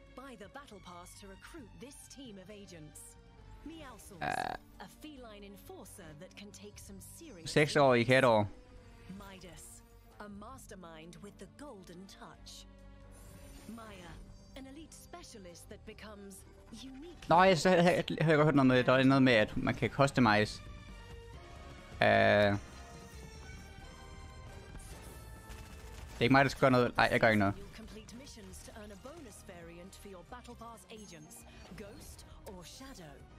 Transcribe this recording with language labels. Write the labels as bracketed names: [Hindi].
[English] Buy the battle pass to recruit this team of agents. Meowsels, a feline enforcer that can take some serious. 6-årig kattor. Midas, a mastermind with the golden touch. Maya, an elite specialist that becomes unique. [Danish] Nej, så har jeg hørt noget med, der er noget med at man kan customize. Det er ikke mig, der skal gøre noget. Nej, jeg gør ikke noget. [English] Complete missions to earn a bonus variant for your battle pass agents, ghost or shadow.